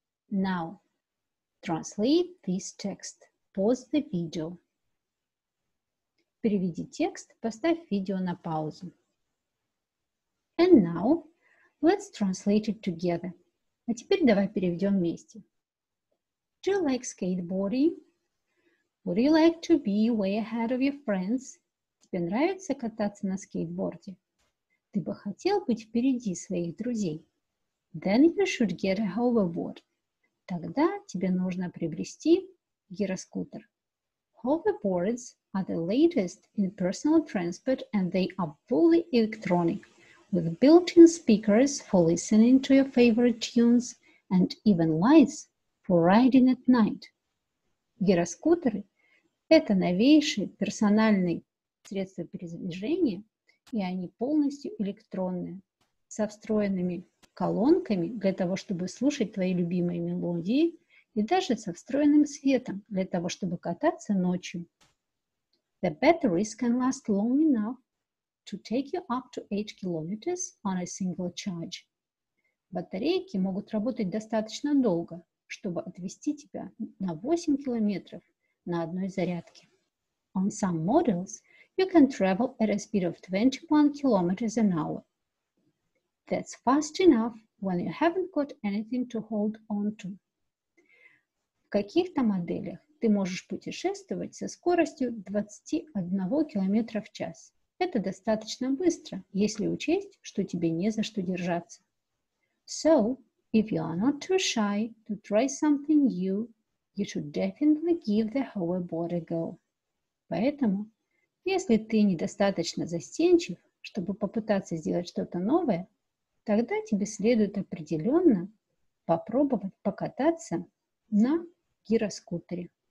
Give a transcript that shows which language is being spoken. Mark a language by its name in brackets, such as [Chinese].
[English] Now. Translate this text. Pause the video. [Russian] Переведи текст, поставь видео на паузу. [English] And now, let's translate it together. [Russian] А теперь давай переведем вместе. [English] Do you like skateboarding? Would you like to be way ahead of your friends? [Russian] Тебе нравится кататься на скейтборде? Ты бы хотел быть впереди своих друзей? [English] Then you should get a hoverboard. [Russian] Тогда тебе нужно приобрести гироскутер. [English] Hoverboards are the latest in personal transport and they are fully electronic with built-in speakers for listening to your favorite tunes and even lights for riding at night. [Russian] Гироскутеры – это новейшие персональные средства передвижения, и они полностью электронные, со встроенными колонками для того, чтобы слушать твои любимые мелодии, и даже со встроенным светом для того, чтобы кататься ночью. [English] The batteries can last long enough to take you up to 8 kilometers on a single charge. [Russian] Батарейки могут работать достаточно долго, чтобы отвезти тебя на 8 километров на одной зарядке. [English] On some models you can travel at a speed of 21 kilometers an hour. That's fast enough when you haven't got anything to hold on to. [Russian] В каких-то моделях ты можешь путешествовать со скоростью 21 км в час. Это достаточно быстро, если учесть, что тебе не за что держаться. [English] So, if you are not too shy to try something new, you should definitely give the hoverboard a go. [Russian] Поэтому, если ты недостаточно застенчив, чтобы попытаться сделать что-то новое, тогда тебе следует определенно попробовать покататься на гироскутере.